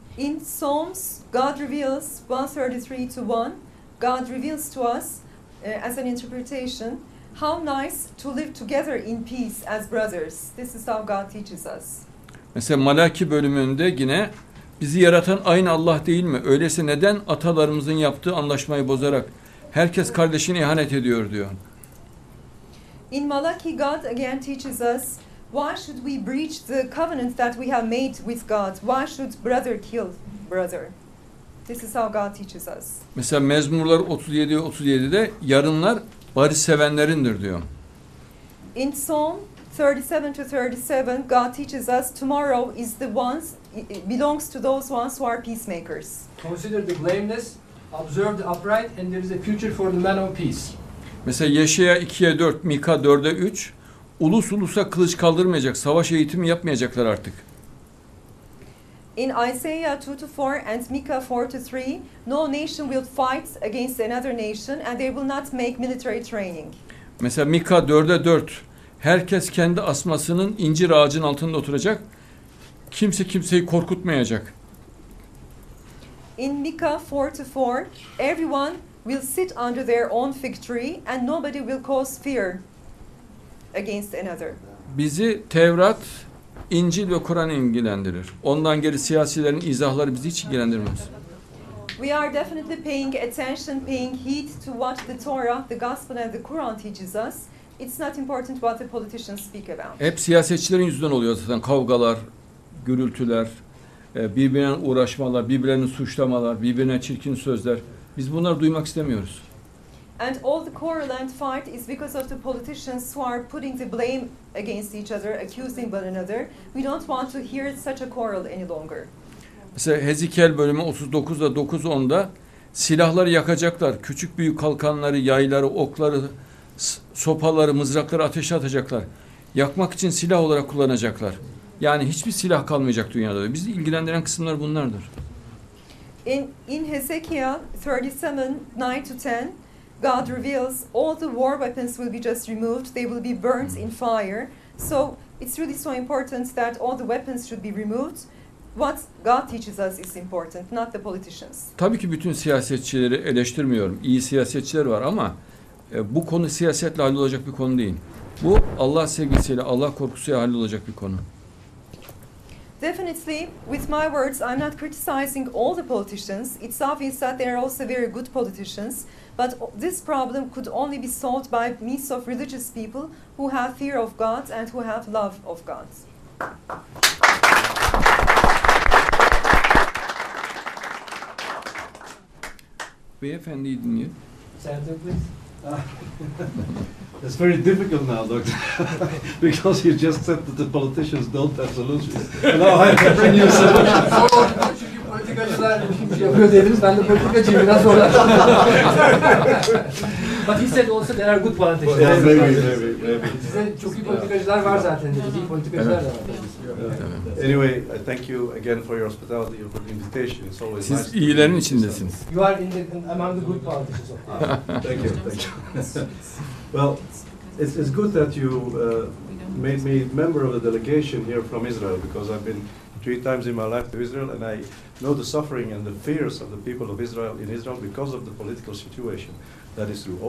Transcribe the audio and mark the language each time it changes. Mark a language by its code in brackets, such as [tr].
[en] In Psalms, God reveals 133 to 1, God reveals to us as an interpretation, how nice to live together in peace as brothers. This is how God teaches us. [tr] Mesela Malaki bölümünde yine bizi yaratan aynı Allah değil mi? Öyleyse neden atalarımızın yaptığı anlaşmayı bozarak herkes kardeşine ihanet ediyor diyor. [en] In Malachi God again teaches us, why should we breach the covenant that we have made with God? Why should brother kill brother? This is how God teaches us. [tr] Mesela Mezmurlar 37-37'de yarınlar barış sevenlerindir diyor. [en] In Psalm 37 to 37, God teaches us tomorrow is the ones, belongs to those ones who are peacemakers. Consider the blameless, observe the upright, and there is a future for the man of peace. [tr] Mesela Yeşaya 2'ye 4, Mika 4'e 3, ulus ulusa kılıç kaldırmayacak, savaş eğitimi yapmayacaklar artık. [en] In Isaiah 2 to 4 and Mika 4 to 3, no nation will fight against another nation and they will not make military training. [tr] Mesela Mika 4'e 4, herkes kendi asmasının incir ağacının altında oturacak. Kimse kimseyi korkutmayacak. [en] In Mika 4:4, everyone will sit under their own fig tree and nobody will cause fear against another. [tr] Bizi Tevrat, İncil ve Kur'an ilgilendirir. Ondan geri siyasilerin izahları bizi hiç ilgilendirmez. [en] We are definitely paying attention, paying heed to what the Torah, the Gospel and the Quran teaches us. It's not important what the politicians speak about. [tr] Hep siyasetçilerin yüzünden oluyor zaten kavgalar, gürültüler, birbirine uğraşmalar, birbirlerini suçlamalar, birbirine çirkin sözler. Biz bunları duymak istemiyoruz. [en] And all the Koraland fight is because of the politicians who are putting the blame against each other, accusing one another. We don't want to hear such a quarrel any longer. [tr] Mesela Hezekiel bölümü 39'da 9-10'da silahları yakacaklar. Küçük büyük kalkanları, yayları, okları, sopaları, mızrakları ateşe atacaklar. Yakmak için silah olarak kullanacaklar. Yani hiçbir silah kalmayacak dünyada. Bizi ilgilendiren kısımlar bunlardır. [en] In Hezekiel 37, 9-10, God reveals all the war weapons will be just removed. They will be burnt in fire. So it's really so important that all the weapons should be removed. What God teaches us is important, not the politicians. [tr] Tabii ki bütün siyasetçileri eleştirmiyorum. İyi siyasetçiler var ama bu konu siyasetle hallolacak bir konu değil. Bu Allah sevgisiyle, Allah korkusuyla hallolacak bir konu. [en] Definitely, with my words, I'm not criticizing all the politicians. It's obvious that they are also very good politicians. But this problem could only be solved by means of religious people who have fear of God and who have love of God. Beyefendi, didn't you? Santa, please. It's very difficult now, doctor, because you just said that the politicians don't have solutions. No, I have a new solution. [tr] Çünkü politikacılar bir şey yapıyor dediniz, ben de politikacıyım, biraz zorlaştım. [en] But he said also there are good politicians. Yeah, maybe. [tr] Size çok iyi politikacılar var zaten dedi, iyi politikacılar da var. [en] Anyway, thank you again for your hospitality, your good invitation. It's always [tr] siz [en] nice. [tr] Siz iyilerin içindesiniz. [en] You are in the, among the good politicians. Thank you, thank you. Well, it's good that you made me member of the delegation here from Israel, because I've been 3 times in my life to Israel, and I know the suffering and the fears of the people of Israel in Israel because of the political situation. That is true.